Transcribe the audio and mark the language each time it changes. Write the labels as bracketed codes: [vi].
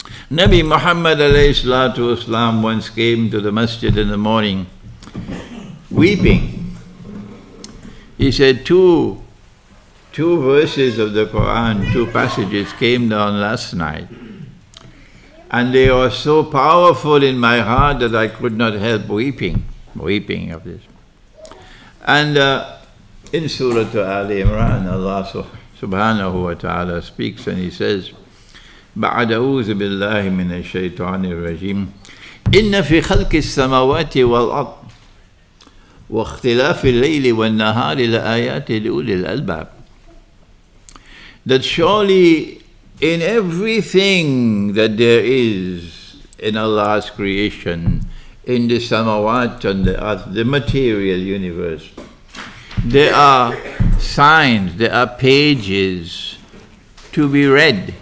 [en] Nabi Muhammad alayhi salatu wasalam once came to the masjid in the morning weeping. He said two verses of the Quran, two passages came down last night, and they were so powerful in my heart that I could not help weeping of this. And in Surah Ali Imran, Allah subhanahu wa ta'ala speaks and he says, [ar] بعد أعوذ بالله من الشيطان الرجيم إن في خلق السماوات والأرض واختلاف الليل والنهار لآيات لأولي الألباب. [en] That surely in everything that there is in Allah's creation, in the samawat and the earth, the material universe, there are signs, there are pages to be read.